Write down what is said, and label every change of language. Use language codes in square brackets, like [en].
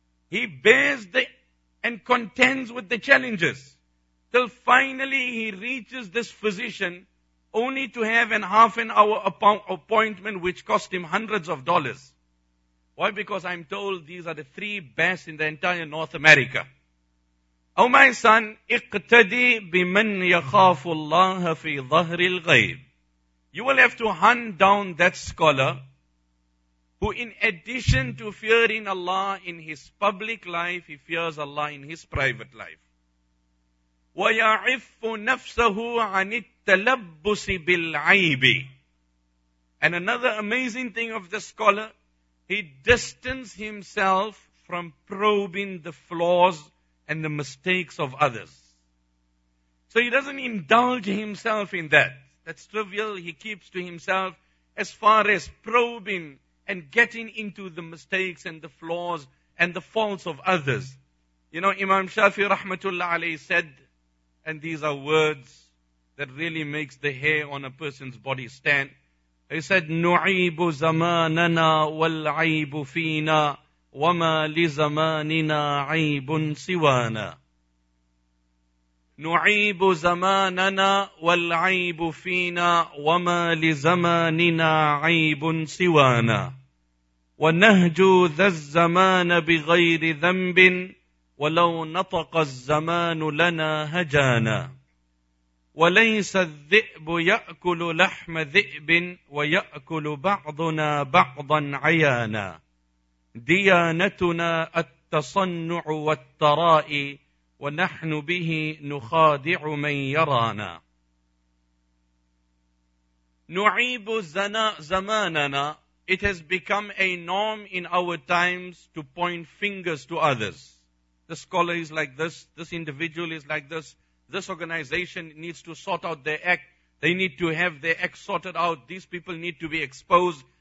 [en] He bears and contends with the challenges till finally he reaches this physician only to have an half an hour appointment which cost him hundreds of dollars. Why? Because I'm told these are the 3 best in the entire North America. O my son, [ar] اقتدي بمن يخاف الله في ظهر الغيب. [en] You will have to hunt down that scholar who, in addition to fearing Allah in his public life, he fears Allah in his private life. [ar] وَيَعِفُّ نَفْسَهُ عَنِ التَّلَبُّسِ بِالْعَيْبِ. [en] And another amazing thing of the scholar, he distances himself from probing the flaws and the mistakes of others. So he doesn't indulge himself in that. That's trivial. He keeps to himself as far as probing and getting into the mistakes and the flaws and the faults of others. You know, Imam Shafi rahmatullah alayhi said, and these are words that really makes the hair on a person's body stand. He said, [ar] نُعِيبُ زَمَانَنَا وَالْعَيْبُ فِينَا وَمَا لِزَمَانِنَا عَيْبٌ سِوَانَا. نُعِيبُ زَمَانَنَا وَالْعَيْبُ فِينَا وَمَا لِزَمَانِنَا عَيْبٌ سِوَانَا. وَنَهْجُ ذَا الزَّمَانَ بِغَيْرِ ذَنْبٍ وَلَوْ نَطَقَ الزَّمَانُ لَنَا هَجَانَا. وَلَيْسَ الذِّئْبُ يَأْكُلُ لَحْمَ ذِئْبٍ وَيَأْكُلُ بَعْضُنَا بَعْضًا عَيَانَا. ديانتنا التصنع والترائي ونحن به نخادع من يرانا. نعيب زماننا. [en] It has become a norm in our times to point fingers to others. The scholar is like this. This individual is like this. This organization needs to sort out their act. They need to have their act sorted out. These people need to be exposed.